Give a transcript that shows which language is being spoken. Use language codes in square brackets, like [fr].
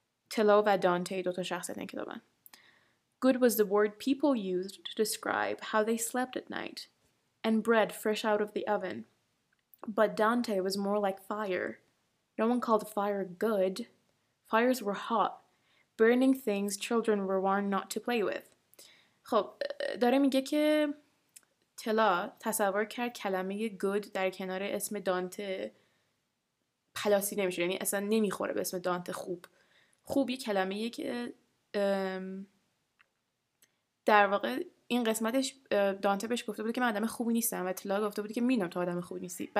[fa] Tilla و Dante دو تا شخصیت این کتابن. [en] Good was the word people used to describe how they slept at night and bread fresh out of the oven. But Dante was more like fire. No one called fire good. Fires were hot, burning things children were warned not to play with. [fa] خب داره میگه که تلا تصور کرد کلمه گود در کنار اسم دانته پلاسی نمیشه، یعنی اصلا نمیخوره به اسم دانته. خوب خوب یه کلمه یه که در واقع این قسمتش دانته بهش گفته بود که من آدم خوبی نیستم و تلا گفته بود که میدونم تو آدم خوبی نیستی.